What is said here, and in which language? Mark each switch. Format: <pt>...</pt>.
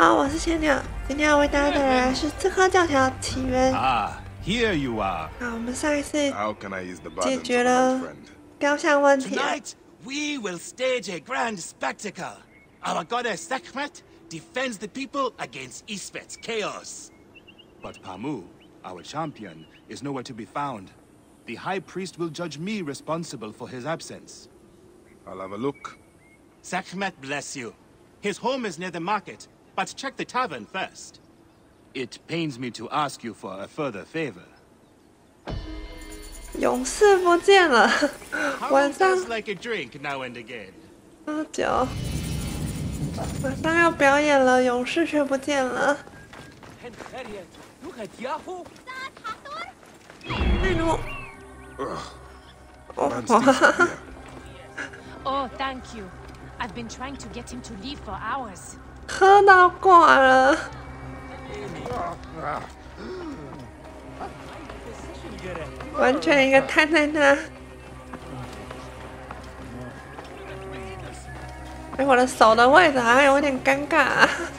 <zh>是千鸟，今天要为大家带来的是《刺客教条：起源》。</zh> <en>Here you are。</en> <zh>好，我们上一次解决了雕像问题。</zh> <en>Tonight we will stage a grand spectacle. Our goddess Sekhmet defends the people against Ispet's chaos. But Pamu, our champion, is nowhere to be found. The high priest will judge me responsible for his absence. I'll have a look. Sekhmet bless you. His home is near the market. But check the tavern first. It pains me to ask you for a further favor.</en> <zh>勇士不见了。晚上。</zh> <en>How like a drink now and again.</en> <zh>喝酒。晚上要表演了，勇士却不见了。</zh> <en>Look at Yahoo.</en> <zh>那奴。</zh> <en>Oh, thank you. I've been trying to get him to leave for hours.</en> <zh>喝到挂了，完全一个瘫在那。哎，我的手的位置好像有点尴尬、啊。</zh>